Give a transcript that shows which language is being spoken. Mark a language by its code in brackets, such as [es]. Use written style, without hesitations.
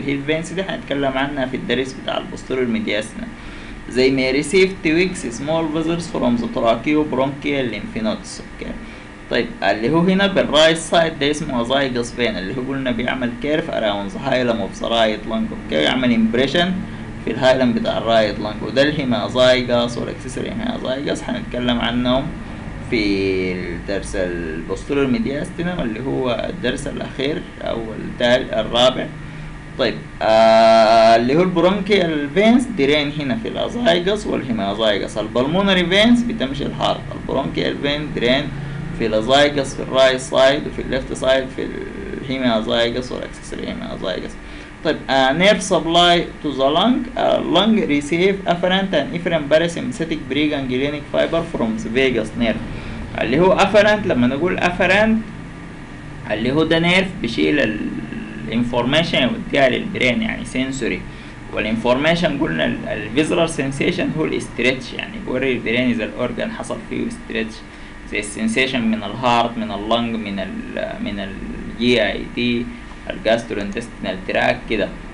[ar] الهيل فينس دي هنتكلم عنها في الدرس بتاع البوستيرور ميدياسنا. [en] They may receive twix small vessels from the tracheo bronchial lymph nodes. Okay. [ar] طيب اللي هو هنا بالرايت سايد ده اسمه زايجوس فين، اللي هو قلنا بيعمل [en] Curve around the hilum of the right lung. [ar] اوكي يعمل امبريشن في الهايلم بتاع الرايت لانج، وده الهيمازايجاس والاكسسوري هيمازايجاس هنتكلم عنهم في الدرس البوستيرور ميدياستينم اللي هو الدرس الاخير او الرابع. طيب اللي هو البرونكيال فينس درين هنا في الازايجاس والهيمازايجاس، البلمونري فينس بتمشي الهارت، البرونكيال فين درين في الازايجاس في الرايت سايد، وفي الليفت سايد في الهيمازايجاس والاكسسوري هيمازايجاس. طيب [en] nerve supply to the lung. Lung receive afferent and efferent parasympathetic preganglionic fiber from the vagus nerve. [ar] اللي هو afferent لما نقول afferent اللي هو ده نيرف بيشيل الانفورميشن يوديها للبرين يعني سنسوري، والانفورميشن قلنا الفيزرال سنسيشن هو الاسترتش يعني بوري البرين اذا الاورجان حصل فيه استرتش زي السنسيشن من الهارت من اللنج من الجي اي تي الجاسترونتستينال تراك كده.